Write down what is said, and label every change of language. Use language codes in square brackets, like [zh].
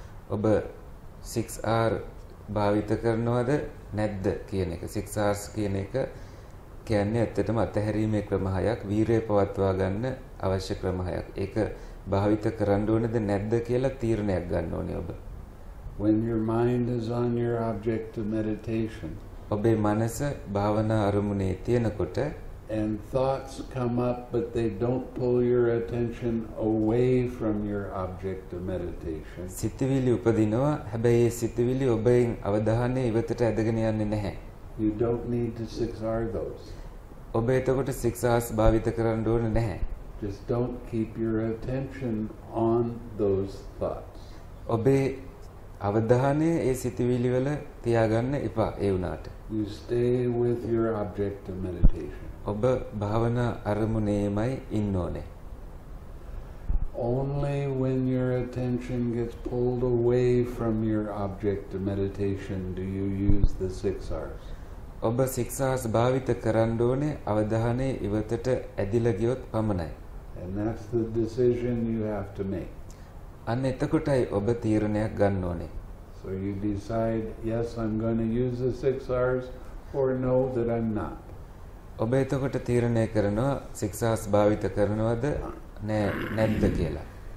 [si] ඔබ 6 r භාවිත කරනවද නැද්ද කියන එක 6 r's කියන එක කියන්නේ ඇත්තටම අතහැරීමේ ක්‍රමහයක් වීරිය පවත්වා ගන්න අවශ්‍ය ක්‍රමහයක් ඒක භාවිත කරන්න ඕනද නැද්ද කියලා තීරණයක් ගන්න ඕනේ ඔබ [en] when your mind is on your object of meditation [si] ඔබේ මනස භාවනා අරමුණේ තියෙනකොට [en] and thoughts come up but they don't pull your attention away from your object of meditation [si] සිතවිලි උපදිනවා හැබැයි ඒ සිතවිලි ඔබෙන් අවධානය ඉවතට ඇදගෙන යන්නේ නැහැ [en] you don't need to six R those [si] ඔබ එතකොට 6 R's භාවිත කරන්න ඕනේ නැහැ [en] just don't keep your attention on those thoughts [si] ඔබේ අවධානය ඒ සිතවිලි වල තියාගන්න එපා ඒ වුණාට [en] you stay with your object of meditation [si] ඔබ භාවනා අරමුණේමයි ඉන්න ඕනේ [en] only when your attention gets pulled away from your object of meditation do you use the 6 R's [si] ඔබ 6 R's භාවිත කරන්න ඕනේ අවධානය ඉවතට ඇදිලා ගියොත් පමණයි [en] And that's the decision you have to make. [si] අන්න එතකොටයි ඔබ තීරණයක් ගන්න ඕනේ. [en] So you decide, yes, I'm going to use the 6 hours or no, that I'm not. [si] ඔබ එතකොට තීරණය කරනවා 6 hours භාවිත කරනවද නැහැ නැද්ද කියලා.